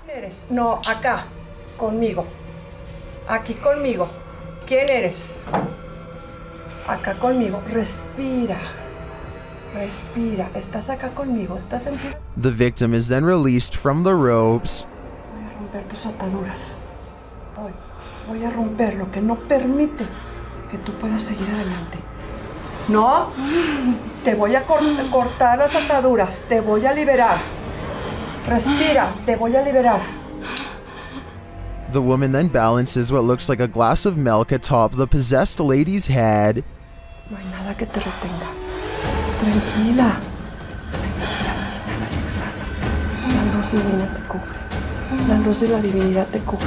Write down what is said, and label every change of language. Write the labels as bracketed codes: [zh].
[es] ¿Quién eres? No, acá, conmigo. Aquí conmigo. ¿Quién eres? acá conmigo, respira. Respira, estás acá conmigo, estás en... [en] The victim is then released from the ropes. [es] Voy a romper tus ataduras. Voy. Voy a romper lo que no permite que tú puedas seguir adelante. No, te voy a cortar las ataduras, te voy a liberar. Respira, te voy a liberar. [en] The woman then balances what looks like a glass of milk atop the possessed lady's head. [es] No hay nada que te retenga. Tranquila. Tranquila. La luz divina te cubre. La luz de la divinidad te cubre.